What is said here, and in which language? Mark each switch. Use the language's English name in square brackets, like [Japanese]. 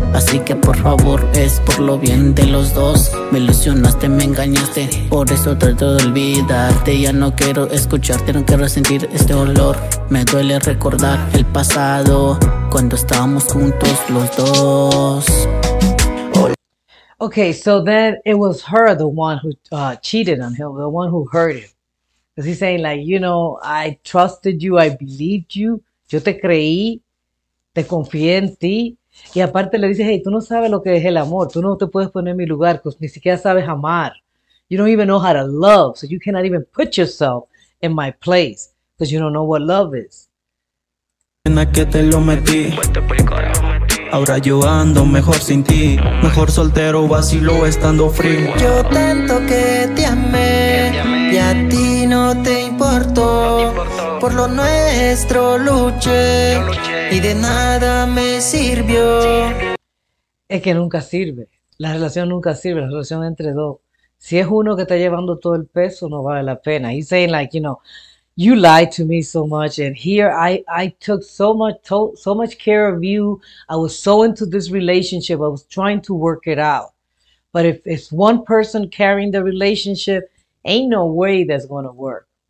[Spanish] Así que por favor, es por lo bien de los dos. Me ilusionaste, me engañaste, por eso trato de olvidarte. Ya no quiero escucharte, no quiero sentir este olor. Me duele recordar el pasado, cuando estábamos juntos los dos. [English] Okay, so then it was her, the one who cheated on him, the one who hurt him. Because he's saying like, you know, I trusted you, I believed you. [Spanish] Yo te creí, te confié en ti. Y aparte le dices, hey, tú no sabes lo que es el amor. Tú no te puedes poner en mi lugar, porque ni siquiera sabes amar. [English] You don't even know how to love, so you cannot even put yourself in my place, because you don't know what love is. [Spanish] En la que te lo metí. Ahora yo ando mejor sin ti, mejor soltero, vacilo estando frío. Yo tanto que te amé, y a ti no te importó, por lo nuestro luché, y de nada me sirvió. Es que nunca sirve, la relación nunca sirve, la relación entre dos. Si es uno que está llevando todo el peso, no vale la pena. [English] He's saying like, you know, you lied to me so much, and here I took so much care of you. I was so into this relationship. I was trying to work it out. But if it's one person carrying the relationship, ain't no way that's gonna work.